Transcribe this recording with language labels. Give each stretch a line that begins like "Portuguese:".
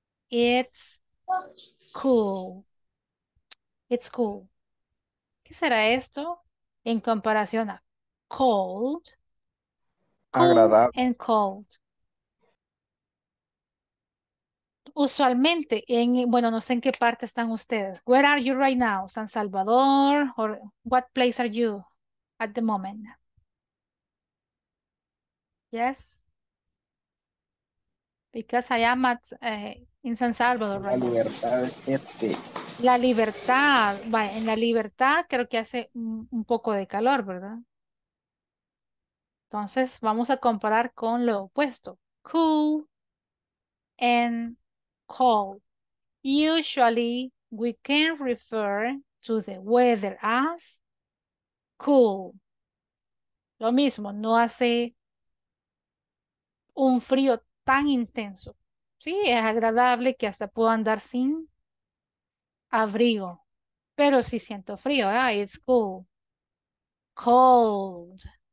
English: It's cool. It's cool.
Spanish: ¿Qué será esto en comparación a cold? Agradable.
English: And cold.
Spanish: Usualmente, en, bueno, no sé en qué parte están ustedes.
English: Where are you right now? San Salvador? Or what place are you at the moment? Yes? Because I am at, in San Salvador right now. La Libertad Este. La Libertad.
Spanish: Vaya, en La Libertad creo que hace un poco de calor, ¿verdad? Entonces, vamos a comparar con lo opuesto.
English: Cool and cold. Usually, we can refer to the weather as cool.
Spanish: Lo mismo, no hace un frío tan intenso. Sí, es agradable que hasta puedo andar sin abrigo. Pero sí siento frío.
English: Ah, it's cool. Cold.